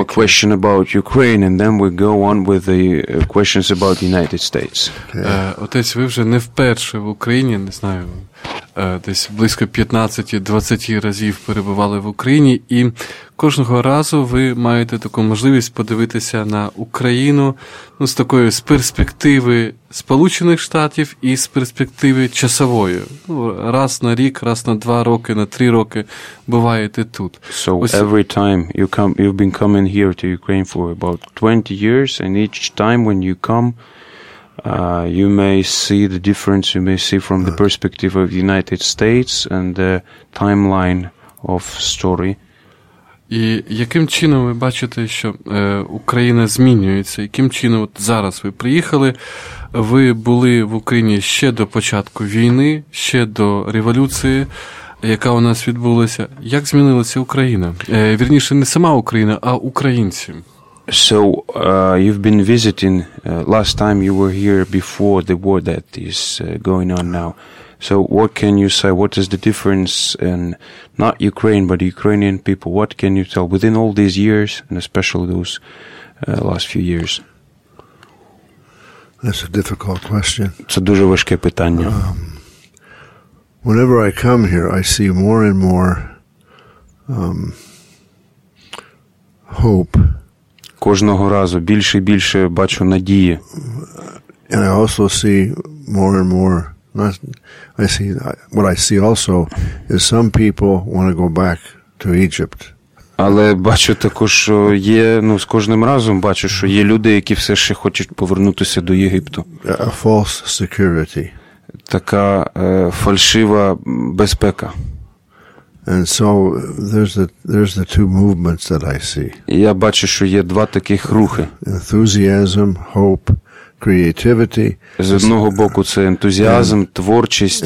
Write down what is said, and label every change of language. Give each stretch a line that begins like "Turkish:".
English: One more question about Ukraine, and then we go on with the questions about the United States.
Ukrainian: Отець, ви вже не вперше в Україні, не знаю, десь близько 15-20 разів перебували в Україні, і кожного разу ви маєте таку можливість подивитися на Україну, ну, з такої, з перспективи Сполучених Штатів і з перспективи часової. Ну, раз на рік, раз на 2 роки, на 3 роки буваєте тут.
English: So every time you come, you've been coming here to Ukraine for about 20 years, and each time when you come, You may see the difference, you may see from the perspective of the United States and the timeline of story.
Ukrainian: І яким чином ви бачите, що Україна змінюється? Яким чином от зараз ви приїхали? Ви були в Україні ще до початку війни, ще до революції, яка у нас відбулася. Як змінилася Україна? Вірніше, не сама Україна, а українці.
English: So, you've been visiting, last time you were here before the war that is going on now. So, what can you say, what is the difference in not Ukraine, but Ukrainian people? What can you tell within all these years, and especially those last few years? That's a difficult question.
Ukrainian: Це дуже важке питання.
English: Whenever I come here, I see more and more hope.
Ukrainian: Кожного разу більше і більше бачу надії.
English: And I also see more and more, I see, what I see also is some people want to go back to Egypt.
Ukrainian: Але бачу також, що є, ну, з кожним разом бачу, що є люди, які все ще хочуть повернутися до Єгипту.
English: A false security.
Ukrainian: Така фальшива безпека.
English: And so there's the two movements that I see.
Ukrainian: Я бачу, що є два таких рухи.
English: Enthusiasm, hope, creativity.
Ukrainian: З одного боку це ентузіазм, творчість.